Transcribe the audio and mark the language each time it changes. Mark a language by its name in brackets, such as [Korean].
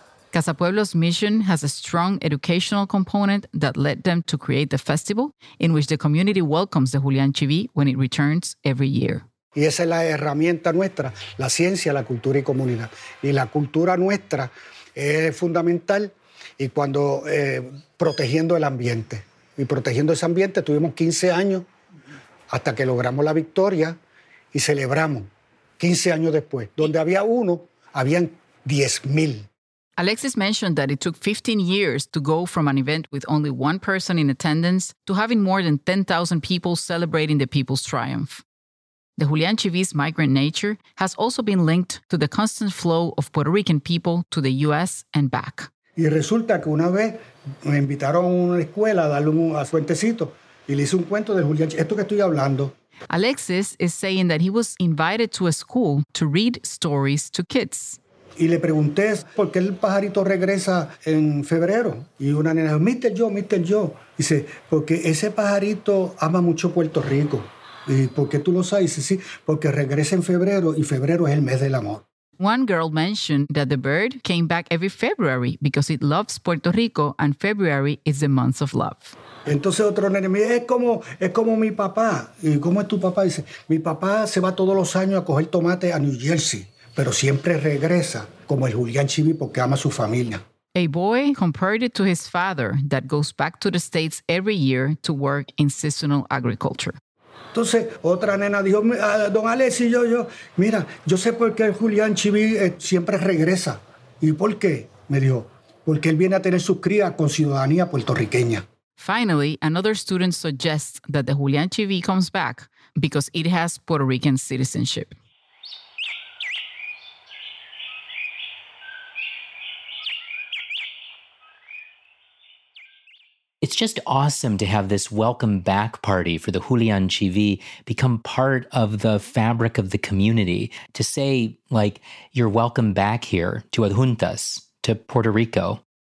[English] Casa Pueblo's mission has a strong educational component that led them to create the festival in which the community welcomes the Julian Chibi when it returns every year. [Spanish] Y esa es la herramienta nuestra, la ciencia, la cultura y comunidad. Y la cultura nuestra es fundamental y cuando protegiendo el ambiente. Y protegiendo ese ambiente tuvimos 15 años hasta que logramos la victoria y celebramos 15 años después. Donde había uno, habían 10,000. [English] Alexis mentioned that it took 15 years to go from an event with only one person in attendance to having more than 10,000 people celebrating the people's triumph. The Julian Chibi's migrant nature has also been linked to the constant flow of Puerto Rican people to the U.S. and back. [Spanish] Y resulta que una vez me invitaron a una escuela a darle un cuentecito y le hice un cuento del Julian Chibi. Esto que estoy hablando. [English] Alexis is saying that he was invited to a school to read stories to kids. [Spanish] Y le pregunté por qué el pajarito regresa en febrero. Y una nena dijo, Mister Joe. Dice, porque ese pajarito ama mucho Puerto Rico. ¿Y por qué tú lo sabes? Dice, sí, porque regresa en febrero y febrero es el mes del amor. [English] One girl mentioned that the bird came back every February because it loves Puerto Rico and February is the month of love. [Spanish] Entonces otro nene me dice, es como mi papá. ¿Y cómo es tu papá? Dice, mi papá se va todos los años a coger tomate a New Jersey, pero siempre regresa como el Julián Chibi porque ama a su familia. [English] A boy compared it to his father that goes back to the States every year to work in seasonal agriculture. [Spanish] Entonces, otra nena dijo, don Alex y yo, mira, yo sé por qué Julián Chibi siempre regresa. ¿Y por qué? Me dijo, porque él viene a tener sus crías con ciudadanía puertorriqueña. [English] Finally, another student suggests that the Julián Chibi comes back because it has Puerto Rican citizenship. It's just awesome to have this welcome back party for the Julián Chibi become part of the fabric of the community, to say, like, you're welcome back here to Adjuntas, to Puerto Rico.